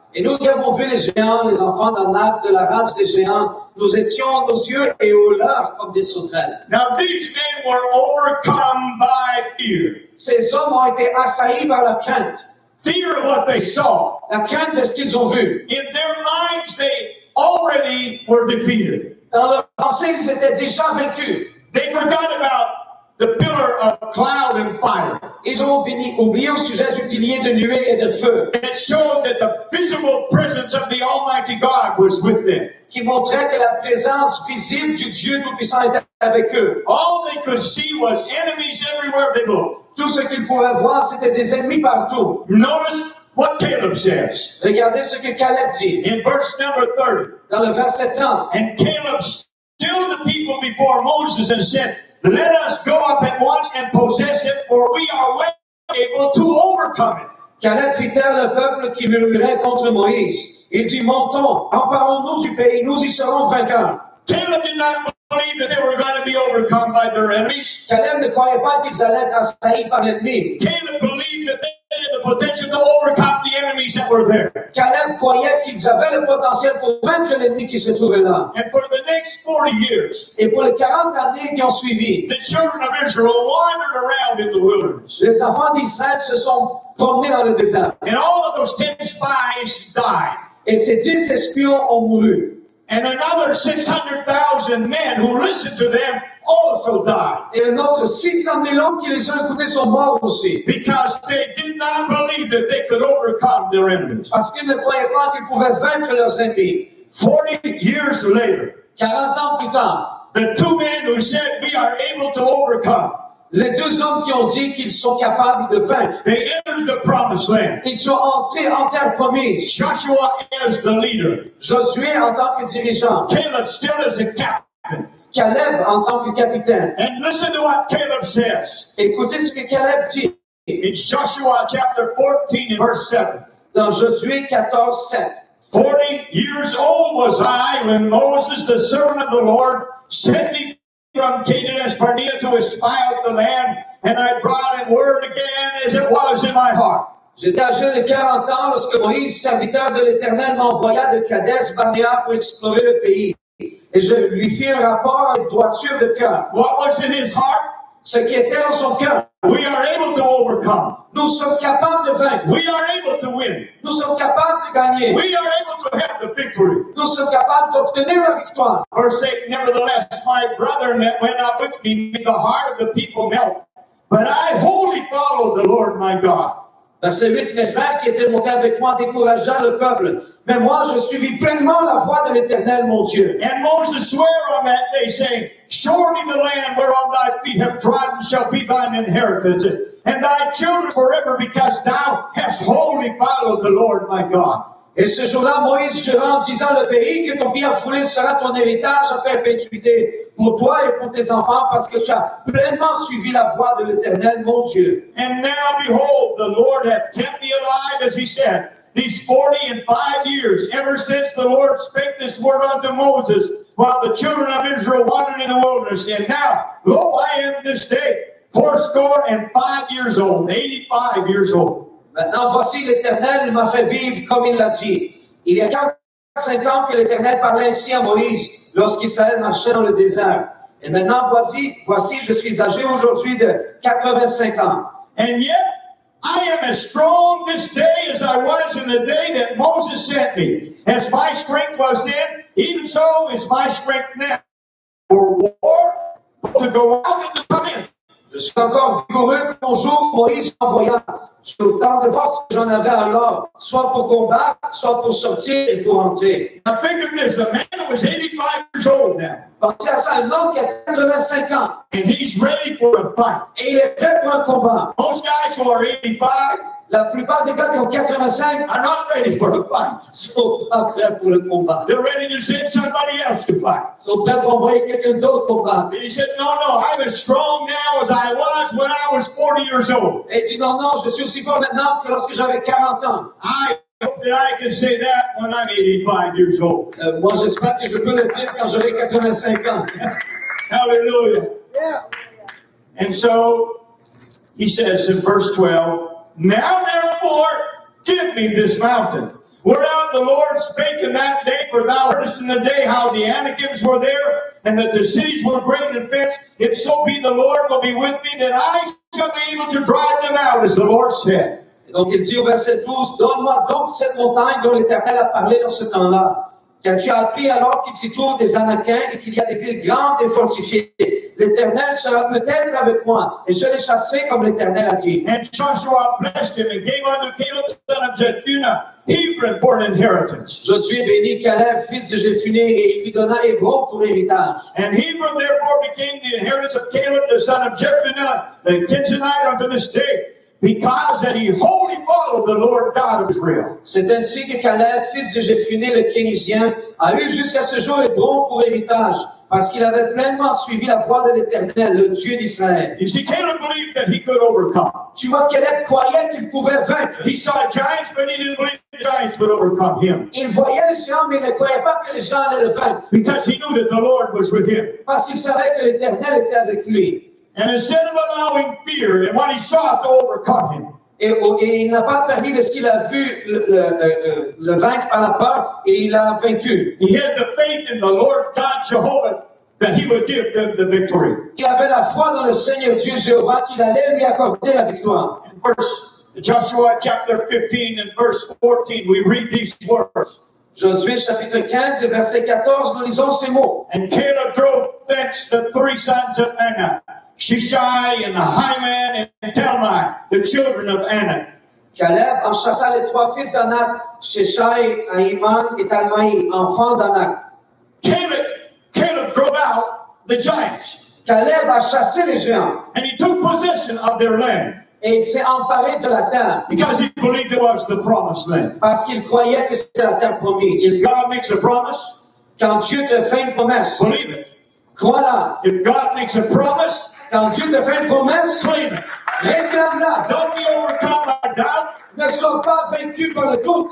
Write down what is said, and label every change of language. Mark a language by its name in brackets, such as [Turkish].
[French] Et nous y avons vu les géants, les enfants d'Anak, de la race des géants. Nous étions aux yeux et aux leurs comme des sauterelles. [English] Now these men were overcome by fear. [French] Ces hommes ont été assaillis par la crainte. [English] Fear of what they saw. [French] La crainte de ce qu'ils ont vu. [English] In their minds they already were defeated. [French] Dans leur pensée, ils étaient déjà vaincus. [English] They forgot about the pillar of cloud and fire. [French] Ils ont oublié au sujet du pilier de nuée et de feu. [English] It showed that the visible presence of the Almighty God was with them. [French] Qui montrait que la présence visible du Dieu Tout-Puissant était avec eux. [English] All they could see was enemies everywhere they looked. [French] Tout ce qu'ils pouvaient voir, c'était des ennemis partout. [English] Notice what Caleb says. [French] Regardez ce que Caleb dit. [English] In verse number 30. [French] Dans le verset 30. [English] And Caleb stilled the people before Moses and said, let us go up at once and possess it, for we are well able to overcome it. [French] Caleb fit taire le peuple qui murmurait contre Moïse. Il dit, montons, emparons-nous du pays, nous y serons vainqueurs. [English] Caleb did not believe that they were going to be overcome by their enemies. [French] Caleb ne croyait pas qu'ils allaient être assaillis par l'ennemi. [English] Caleb believed that they had the potential to overcome the enemies that were there. [French] Caleb croyait qu'ils avaient le potentiel pour vaincre l'ennemi qui se trouvait là. [English] And for the next 40 years, [French] et pour les 40 années qui ont suivi, [English] the children of Israel wandered around in the wilderness. [French] Les enfants d'Israël se sont promenés dans le désert. [English] And all of those 10 spies died. [French] Et ces 10 espions ont mouru. [English] And another 600,000 men who listened to them also died. [French] Et un autre 600 000 hommes qui les ont écoutés sont morts aussi. [English] Because they did not believe that they could overcome their enemies. [French] Parce qu'ils ne croyaient pas qu'ils pouvaient vaincre leurs ennemis. [English] 40 years later, [French] 40 ans plus tard, [English] the two men who said we are able to overcome, [French] les deux hommes qui ont dit qu'ils sont capables de vaincre, [English] they entered the promised land. [French] Ils sont entrés en terre promise. [English] Joshua is the leader. [French] Josué en tant que dirigeant. [English] Caleb still is a captain. [French] Caleb en tant que capitaine. [English] And listen to what Caleb says. [French] Écoutez ce que Caleb dit. [English] It's Joshua chapter 14 and verse 7. [French] Dans Josué 14, 7. [English] 40 years old was I when Moses, the servant of the Lord, sent me from Kadesh-Barnea to espy out the land, and I brought it word again as it was in my heart. [French] J'étais âgé de 40 ans lorsque Moïse, serviteur de l'Éternel, m'envoya de Kadesh Barnea pour explorer le pays. Et je lui fis un rapport avec droiture de cœur. [English] What was in his heart? [French] Ce qui était dans son cœur. [English] We are able to overcome. [French] Nous sommes capables de vaincre. [English] We are able to win. [French] Nous sommes capables de gagner. [English] We are able to have the victory. [French] Nous sommes capables d'obtenir la victoire. [English] Verse 8, nevertheless, my brethren that went up with me made the heart of the people melt. But I wholly followed the Lord my God. [French] Verset 8, mes frères qui étaient montés avec moi découragea le peuple. Mais moi, je suivis pleinement la voie de l'Éternel, mon Dieu. [English] And Moses swore on that day, saying, surely the land whereon thy feet have trodden shall be thine inheritance, and thy children forever, because thou hast wholly followed the Lord my God. [French] Et ce jour-là, Moïse jura en disant, le pays que ton pied a foulé sera ton héritage à perpétuité, pour toi et pour tes enfants, parce que tu as pleinement suivi la voie de l'Éternel, mon Dieu. [English] And now behold, the Lord hath kept me alive, as he said, these 45 years, ever since the Lord spake this word unto Moses, while the children of Israel wandered in the wilderness. And now, lo, I am this day 85 years old. [French] Maintenant, voici l'Éternel m'a fait vivre comme il l'a dit. Il y a 45 ans que l'Éternel parlait ainsi à Moïse, lorsqu'Israël marchait dans le désert. Et maintenant, voici, je suis âgé aujourd'hui de 85 ans. [English] And yet, I am as strong this day as I was in the day that Moses sent me. As my strength was then, even so is my strength now. For war, to go out and to come in. [French] Je suis encore vigoureux que mon jour Moïse m'envoya. J'ai autant de force que j'en avais alors, soit pour combattre, soit pour sortir et pour entrer. [English] Now think of this, a man who was 85 years old now. [French] Pensez à ça, un homme qui a 85 ans. [English] And he's ready for a fight. [French] Et il est prêt pour un combat. [English] Most guys who are 85, [French] la plupart des gars qui ont 85, [English] are not ready for a fight. [French] Sont pas prêts pour le combat. [English] They're ready to send somebody else to fight. [French] Sont prêts pour envoyer quelqu'un d'autre combattre. [English] And he said, no, I'm as strong now as I was when I was 40 years old. [French] Et dit, non, je suis aussi fort maintenant que lorsque j'avais 40 ans. [English] I hope that I can say that when I'm 85 years old. [French] Moi, j'espère que je peux le dire quand j'aurai 85 ans. Hallelujah. Yeah. [English] And so, he says in verse 12, now therefore, give me this mountain, whereof the Lord spake in that day, for thou heardest in the day how the Anakims were there, and that the cities were great and fenced. If so be the Lord will be with me, then I shall be able to drive them out, as the Lord said. [French] Et donc il dit au verset 12, donne-moi donc cette montagne dont l'Éternel a parlé dans ce temps-là, car tu as appris alors qu'il s'y trouve des Anakins et qu'il y a des villes grandes et fortifiées. L'Éternel sera peut-être avec moi, et je l'ai chassé comme l'Éternel a dit. [English] And Joshua blessed him and gave unto Caleb, son of Jephunneh, Hebron for an inheritance. [French] Josué bénit Caleb, fils de Jephunneh, et il lui donna Hébron pour héritage. [English] And Hebron therefore became the inheritance of Caleb, the son of Jephunneh, the Kenizzite unto this day, because that he wholly followed the Lord God of Israel. [French] C'est ainsi que Caleb, fils de Jephunneh, le Kenizien, a eu jusqu'à ce jour Hébron pour héritage, parce qu'il avait pleinement suivi la voie de l'Éternel, le Dieu d'Israël. [English] You see, Caleb believed that he could overcome. [French] Tu vois, Caleb croyait qu'il pouvait vaincre. [English] He saw giants, but he didn't believe the giants would overcome him. [French] Il voyait les géants, mais il ne croyait pas que les géants allaient le vaincre. [English] Because he knew that the Lord was with him. [French] Parce qu'il savait que l'Éternel était avec lui. [English] And instead of allowing fear and what he saw to overcome him, [French] et il n'a pas permis de ce qu'il a vu le vaincre par la peur, et il a vaincu. [English] He had the faith in the Lord God Jehovah that he would give them the victory. [French] Il avait la foi dans le Seigneur Dieu Jéhovah qu'il allait lui accorder la victoire. [English] In Joshua chapter 15 and verse 14, we read these words. [French] Josué chapitre 15 et verset 14, nous lisons ces mots. [English] And Caleb drove thence the three sons of Anak, Shishai and Ahiman and Talmai, the children of Anak. [French] Caleb en chassa les trois fils d'Anak, Shishai, Ahiman et Talmai, enfants d'Anak. [English] Caleb drove out the giants. [French] Caleb a chassé les géants. [English] And he took possession of their land. [French] Et il s'est emparé de la terre. [English] Because he believed it was the promised land. [French] Parce qu'il croyait que c'était la terre promise. [English] If God makes a promise, [French] quand Dieu te fait une promesse, [English] believe it. [French] Crois-la. [English] If God makes a promise, [French] quand Dieu te fait une promesse, réclame-la. [English] Don't be overcome by doubt. [French] Ne sois pas vaincu par le doute.